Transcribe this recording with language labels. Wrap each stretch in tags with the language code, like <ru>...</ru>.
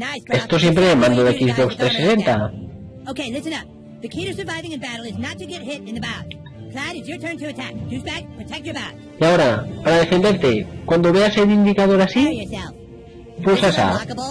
<es>Esto siempre en mando de Xbox 360.</es> <en>Ok, listen up. The key to surviving in battle is not to get hit in the bow. Clyde, it's your turn to attack. Douchebag, protect your bow.</en> <es>Y ahora, para defenderte, cuando veas el indicador así, pulsas A.</es>